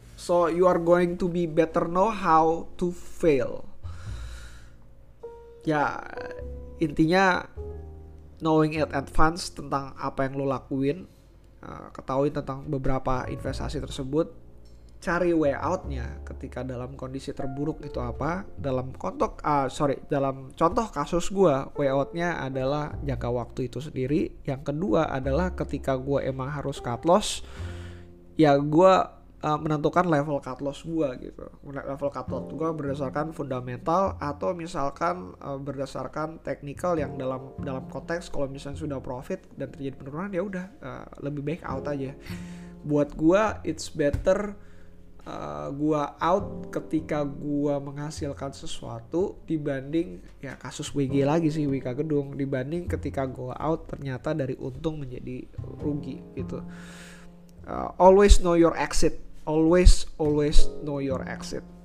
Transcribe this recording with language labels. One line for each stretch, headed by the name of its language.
English: So you are going to be better know how to fail.
Indonesian: Ya intinya
English: knowing it advance
Indonesian: tentang apa yang lu lakuin, ketahui tentang beberapa investasi tersebut, cari way out-nya ketika dalam kondisi terburuk itu apa. Dalam contoh kasus gue, way out-nya adalah jangka waktu itu sendiri. Yang kedua adalah ketika gue emang harus cut loss, ya gue menentukan level cut loss gue gitu. Level cut loss gue berdasarkan fundamental atau misalkan berdasarkan technical, yang dalam konteks kalau misalnya sudah profit dan terjadi penurunan, ya udah lebih baik out aja. Buat gue
English: it's better
Indonesian: gua out ketika gua menghasilkan sesuatu dibanding, ya kasus WG lagi sih, WK Gedung, dibanding ketika gua out ternyata dari untung menjadi rugi gitu.
English: Always know your exit, always know your exit.